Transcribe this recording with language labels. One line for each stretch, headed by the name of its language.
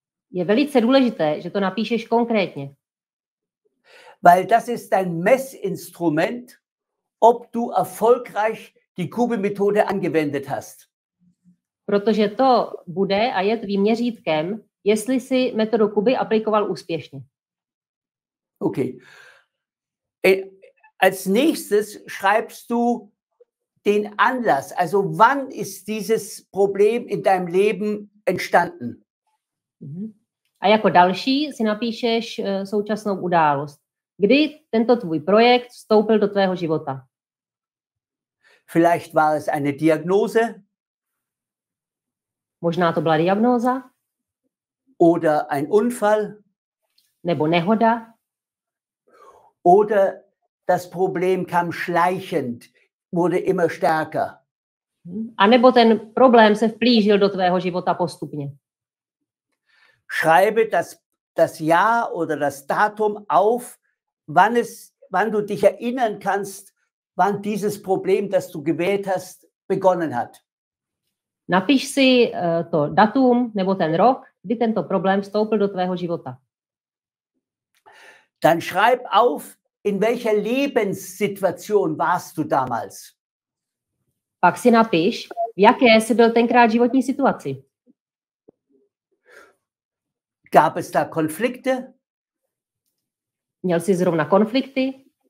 Czech: Je velice důležité, že to napíšeš konkrétně.
German: Weil das ist dein Messinstrument, ob du erfolgreich die Kubi-Methode angewendet hast.
Czech: Protože to bude a je tvým měřítkem, jestli si metodu Kubi aplikoval úspěšně. Okay.
German: Als nächstes schreibst du den Anlass, also wann ist dieses Problem in deinem Leben entstanden?
Czech: A jako další si napíšeš současnou událost. Kdy tento tvůj projekt vstoupil do tvého života?
German: Vielleicht war es eine Diagnose.
Czech: Možná to byla diagnóza.
German: Oder ein Unfall.
Czech: Nebo nehoda.
German: Oder das Problem kam schleichend, wurde immer stärker.
Czech: A nebo ten problém se vplížil do tvého života postupně.
German: Schreibe das Jahr oder das Datum auf, wann du dich erinnern kannst, wann dieses Problem, das du gewählt hast, begonnen hat.
Czech: Napiš si to datum nebo ten rok, kdy tento problém vstoupil do tvého života.
German: Dann schreib auf, in welcher Lebenssituation warst du damals.
Czech: Pak si napiš, v jaké jsi byl tenkrát životní situaci.
German: Gab es da Konflikte?
Czech: Měl jsi zrovna konflikty?